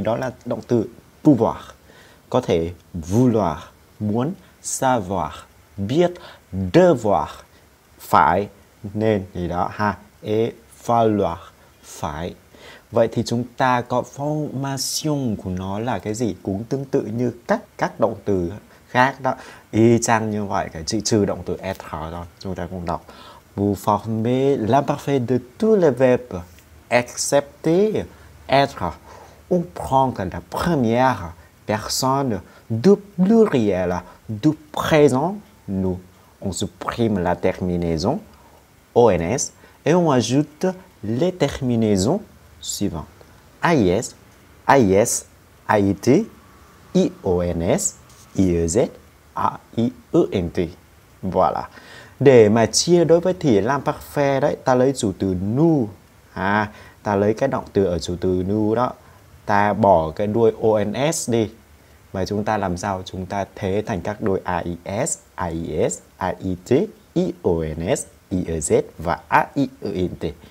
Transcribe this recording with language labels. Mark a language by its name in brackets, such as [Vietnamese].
[Vietnamese] Đó là động từ pouvoir, có thể vouloir, muốn, savoir, biết, devoir, phải, nên gì đó ha, et falloir, phải. Vậy thì chúng ta có formation của nó là cái gì? Cũng tương tự như các động từ khác đó. Y chang như vậy, cái chữ trừ động từ être đó. Chúng ta cùng đọc. [French] Vous formez l'imparfait de tous les verbes, excepté être. On prend la première personne du pluriel du présent, nous. On supprime la terminaison, ons, et on ajoute les terminaisons suivant: is, is, it, ions, iez, aient. Voilà. [Vietnamese] Để mà chia đối với thì l'imparfait đấy, ta lấy chủ từ nous, à, ta lấy cái động từ ở chủ từ nous đó, ta bỏ cái đuôi ons đi, và chúng ta làm sao? Chúng ta thế thành các đuôi is, ies, it, ions, iez và aient.